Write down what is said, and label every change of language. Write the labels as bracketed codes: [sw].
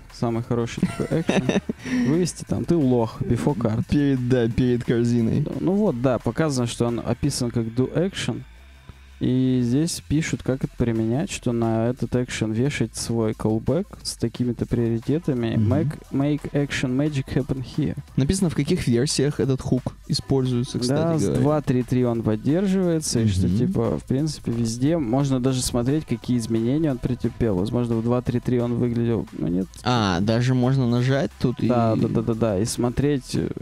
[ru] Самый хороший такой экшен. Вывести там. Ты лох. [en] Before Card. [ru] Перед корзиной. Ну вот, да. Показано, что он описан как Do Action. И здесь пишут, как это применять, что на этот экшен вешать свой callback с такими-то приоритетами. [en] Make action magic happen here. [ru] Написано, в каких версиях этот хук используется, кстати, да, говоря. Да, с 2.3.3 он поддерживается, и что, типа, в принципе, везде. Можно даже смотреть, какие изменения он претерпел. Возможно, в 2.3.3 он выглядел... Ну, нет. А, даже можно нажать тут да, и... Да-да-да-да, и смотреть...